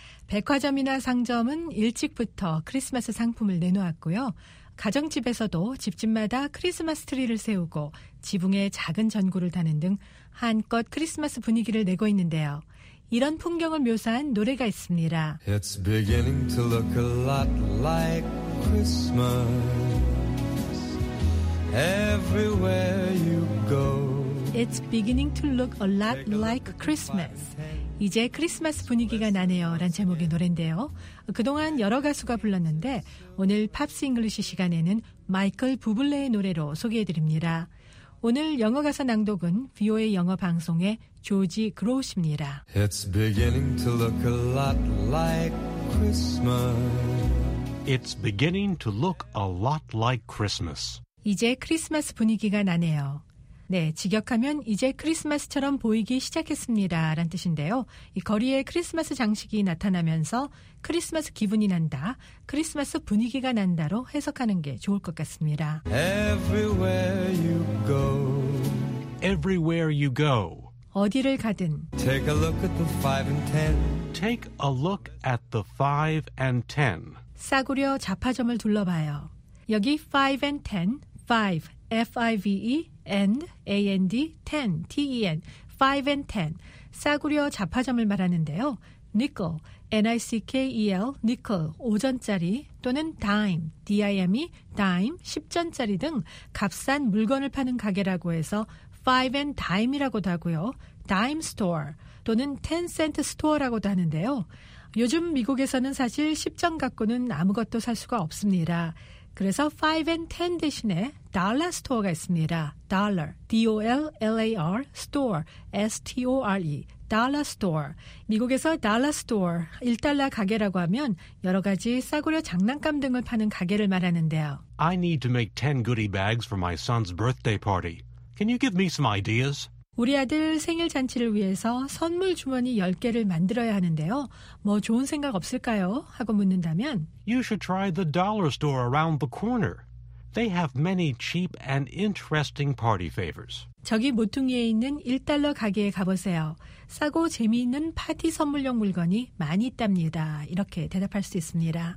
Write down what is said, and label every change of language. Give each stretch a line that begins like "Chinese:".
Korean: 백화점이나 상점은 일찍부터 크리스마스 상품을 내놓았고요. 가정집에서도 집집마다 크리스마스 트리를 세우고 지붕에 작은 전구를 다는 등 한껏 크리스마스 분위기를 내고 있는데요. 이런 풍경을 묘사한 노래가 있습니다.
English: It's beginning to look a lot like Christmas everywhere you go. It's beginning to look a lot like Christmas.
Korean: 이제 크리스마스 분위기가 나네요. 라는 제목의 노래인데요. 그동안 여러 가수가 불렀는데 오늘 팝스 잉글리시 시간에는 마이클 부블레의 노래로 소개해드립니다. 오늘 영어 가사 낭독은 VOA 영어 방송의 조지 그로우입니다.
English: It's beginning to look a lot like Christmas. It's beginning to look a lot like Christmas.
Korean: 이제 크리스마스 분위기가 나네요. 네, 직역하면 이제 크리스마스처럼 보이기 시작했습니다. 라는 뜻인데요. 이 거리에 크리스마스 장식이 나타나면서 크리스마스 기분이 난다, 크리스마스 분위기가 난다로 해석하는 게 좋을 것 같습니다.
English: Everywhere you go. Everywhere you go.
Korean: 어디를 가든
English: Take a look at the 5 and 10. Take a look at the 5 and 10.
Korean: 싸구려 잡화점을 둘러봐요. 여기
English: 5 and 10, 5, F-I-V-E, and, A-N-D, 10, T-E-N, 5 and 10,
Korean: 싸구려 잡화점을 말하는데요.
English: Nickel, N-I-C-K-E-L, Nickel,
Korean: 5전짜리 또는
English: Dime, D-I-M-E, Dime,
Korean: 10전짜리 등 값싼 물건을 파는 가게라고 해서 5 and Dime이라고도 하고요. Dime Store 또는 10cent Store라고도 하는데요. 요즘 미국에서는 사실 10전 갖고는 아무것도 살 수가 없습니다. 그래서 5 and 10 대신에 달러 스토어가 있습니다.
English: Dollar, D-O-L-L-A-R, Store, S-T-O-R-E, Dollar Store.
Korean: 미국에서 Dollar Store, 1달러 가게라고 하면 여러 가지 싸구려 장난감 등을 파는 가게를 말하는데요.
English: I need to make 10 goodie bags for my son's birthday party. Can you give me some ideas?
Korean: 우리 아들 생일 잔치를 위해서 선물 주머니 10개를 만들어야 하는데요. 뭐 좋은 생각 없을까요? 하고 묻는다면
English: You should try the dollar store around the corner. They have many cheap and interesting party favors.
Korean: 저기 모퉁이에 있는 1달러 가게에 가보세요. 싸고 재미있는 파티 선물용 물건이 많이 있답니다. 이렇게 대답할 수 있습니다.